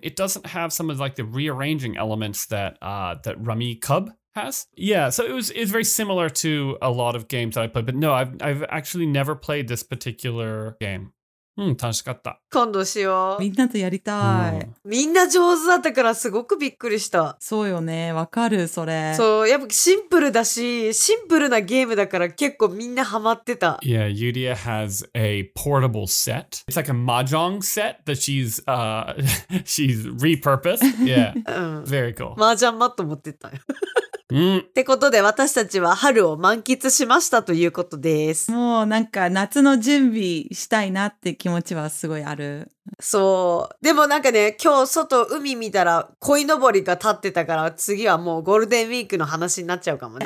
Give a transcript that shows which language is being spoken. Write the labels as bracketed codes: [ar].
[en] It doesn't have some of like the rearranging elements that that Rummy Cub has. Yeah, so it's very similar to a lot of games that I played. But no, I've actually never played this particular game. [ja] 楽しかった。今度しよう。みんなとやりたい。みんな上手だったからすごくびっくりした。そうよね、わかるそれ。そう、やっぱシンプルだし、シンプルなゲームだから結構みんなハマってた。 [en] Yeah, Yuria has a portable set. It's like a mahjong set that she's repurposed. Yeah, very cool. [ja] マージャンマット持ってったよ。ってことで私たちは春を満喫しましたということです。もうなんか夏の準備したいなって気持ちはすごいある。そうでもなんかね今日外海見たら鯉のぼりが立ってたから次はもうゴールデンウィークの話になっちゃうかもね。